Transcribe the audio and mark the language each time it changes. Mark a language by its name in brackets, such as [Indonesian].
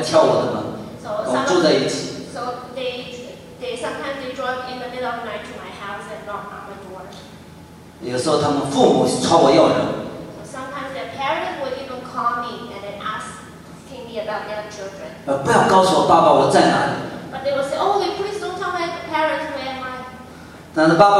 [Chinese] 那半夜里面开车从东部过来的，敲我的门，我住在一起。 [English] So they sometimes they drove in the middle of night to my house and knocked on my door. [Chinese] 有时候他们父母朝我要人。 [English] So sometimes their parents would even call me and then asking me about their children. [Chinese] 不要告诉我爸爸我在哪里。 [English] But they will say, "Oh, please don't tell my parents where am I."